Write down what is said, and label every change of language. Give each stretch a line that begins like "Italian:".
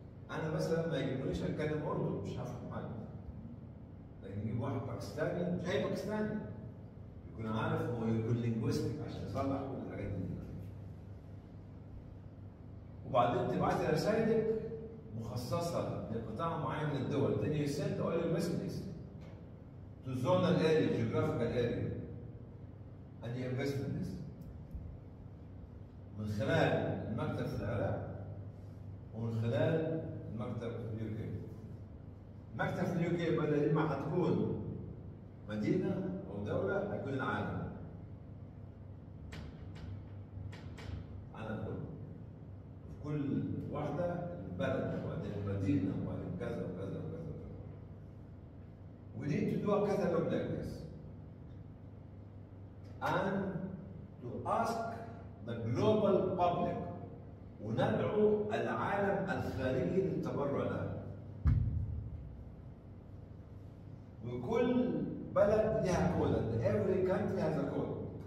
Arabic: أنا مثلا ما يجيبونيش أتكلم أردو مش هفهم حاجة. لكن يجيب واحد باكستاني مش هي باكستاني. يكون عارف هو يكون لينجويستيك عشان يصلح كل الحاجات دي. وبعدين تبعتي رسايلك مخصصة لقطاع معين من الدول.
English: Then you send all your messages to zonal area, geographical area. And you invest in this.
Arabic: من خلال المكتب في العراق ومن خلال المكتب في اليو كي. المكتب في اليو كي بدل ما هتكون مدينة أو دولة هيكون العالم. أنا أقول في كل واحدة البلد وبعدين المدينة وبعدين كذا وكذا وكذا.
English: We need to do a catalog like this. And to ask the global public
Arabic: وندعو العالم الخارجي للتبرع لها. وكل بلد لها كود.
English: Every country has a code.